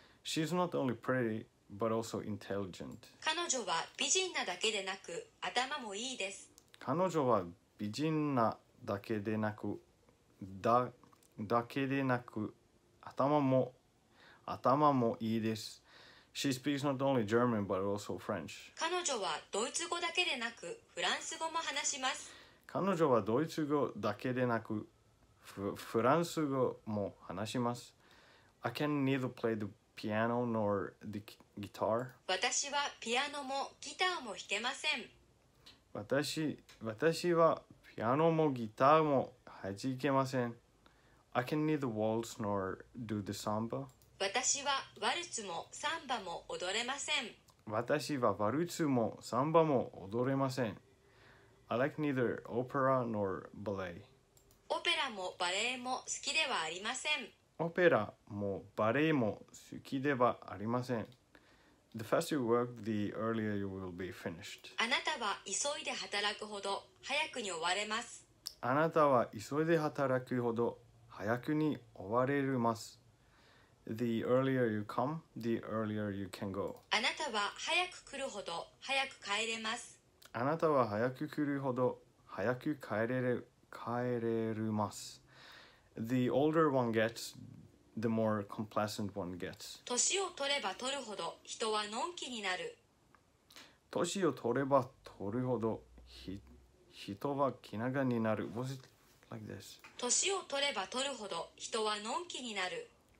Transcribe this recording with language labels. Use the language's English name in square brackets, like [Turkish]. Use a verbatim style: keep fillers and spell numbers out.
[English] She's not only pretty, but also intelligent. [Japanese] 彼女は美人なだけでなく、頭もいいです。彼女は美人なだけでなく、だ、だけでなく、頭も、頭もいいです。 [English] She speaks not only German, but also French. [Japanese] 彼女はドイツ語だけでなく、フランス語も話します。彼女はドイツ語だけでなく、フ, フランス語も話します。 [English] I can neither play the piano nor the guitar. [Japanese] 私はピアノもギターも弾けません。私, 私はピアノもギターも弾けません。 [English] I can neither waltz nor do the samba. [Japanese] 私はワルツもサンバも踊れません。私はワルツもサンバも踊れません。 [English] I like neither opera nor ballet. [Japanese] オペラもバレエも好きではありません。オペラもバレエも好きではありません。 [English] The faster you work, the earlier you will be finished. [Japanese] あなたは急いで働くほど早くに終われます。あなたは急いで働くほど早くに終われます。 [English] The earlier you come, the earlier you can go. [Japanese] あなたは早く来るほど早く帰れます。あなたは早く来るほど早く帰れる、帰れます。 [English] The older one gets, the more complacent one gets. [Japanese] 年を取れば取るほど人はのんきになる。年を取れば取るほどひ人は気長になる。 [English] Was it like this? [Japanese] 年を取れば取るほど人はのんきになる。